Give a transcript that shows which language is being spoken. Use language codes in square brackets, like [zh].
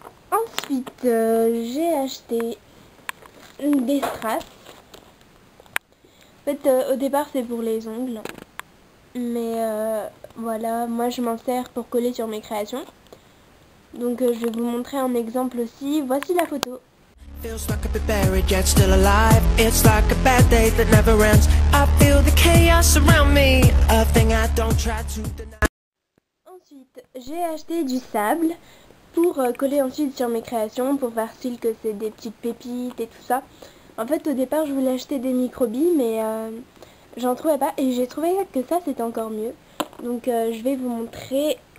[fr] Ensuite, j'ai acheté des strass. En fait, au départ, c'est pour les ongles. Mais voilà, moi je m'en sers pour coller sur mes créations. Donc je vais vous montrer un exemple aussi. Voici la photo. [en] Feels like I've been buried yet still alive. It's like a bad day that never ends. I feel the chaos around me. A thing I don't try to deny. [fr] Ensuite, j'ai acheté du sable pour coller ensuite sur mes créations, pour faire style que c'est des petites pépites et tout ça. En fait, au départ, je voulais acheter des microbilles, mais j'en trouvais pas. Et j'ai trouvé que ça, c'était encore mieux. Donc, je vais vous montrer.